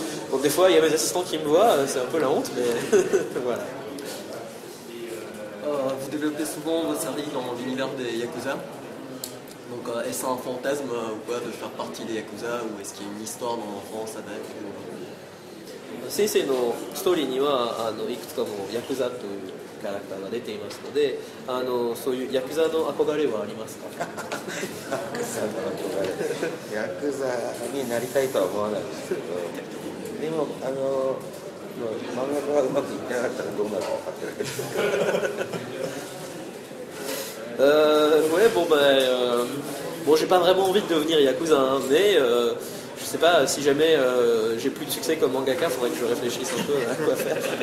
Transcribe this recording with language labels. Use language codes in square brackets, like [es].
[fr] Donc des fois, il y a mes assistants qui me voient, c'est un peu la honte, mais voilà. Vous développez souvent vos séries dans l'univers des Yakuza. Donc est-ce un fantasme ou quoi de faire partie des Yakuza, ou est-ce qu'il y a une histoire dans l'enfance avec ou... [ja] 先生のストーリーにはいくつかのヤクザというキャラクターが出ていますのでそういうヤクザの憧れはありますか？ヤクザの憧れ、ヤクザになりたいとは思わないですけど、でも漫画がうまくいってなかったらどうなるか分かってないですけど。 [fr] j'ai pas vraiment envie de devenir yakuza, hein, mais je sais pas, si jamais j'ai plus de succès comme mangaka, faudrait que je réfléchisse un peu à quoi faire.